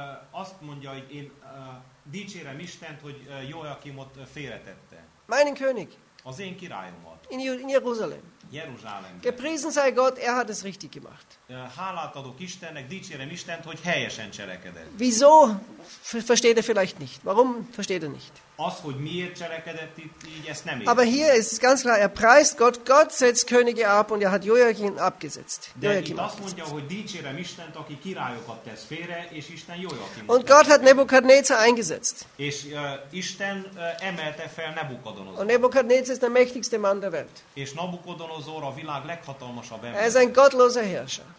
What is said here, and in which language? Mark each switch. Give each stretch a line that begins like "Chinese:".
Hungarian: Azt mondja, hogy én dicsérem Istent, hogy Joachimot félretette.
German: Meinen König.
Hungarian: Az én királyomat.
German: In Jeruzsálem.
Hungarian: Jeruzsálemben.
German: Gepriesen sei Gott, er hat es richtig gemacht.
Hungarian: Hálát adok Istennek, dicsérem Istent, hogy helyesen cselekedett.
German: Wieso? Versteht er vielleicht nicht. Warum versteht er nicht?
Hungarian: Az, hogy miért cselekedett itt, így ezt nem érti.
German: Aber hier ist es ganz klar, er preist Gott, Gott setzt Könige ab, und er hat Joachim abgesetzt.
Hungarian: De Joachim itt azt mondja, hogy dicsérem Istent, aki királyokat tesz félre, és Isten Joachim.
German: Und Gott hat Nebukadnezar eingesetzt.
Hungarian: És Isten emelte fel Nebukadnezar.
German: Und Nebukadnezar ist der mächtigste Mann der Welt.
Hungarian: És Nebukadnezar a világ leghatalmasabb
German: ember. Er ist ein gottloser Herrscher.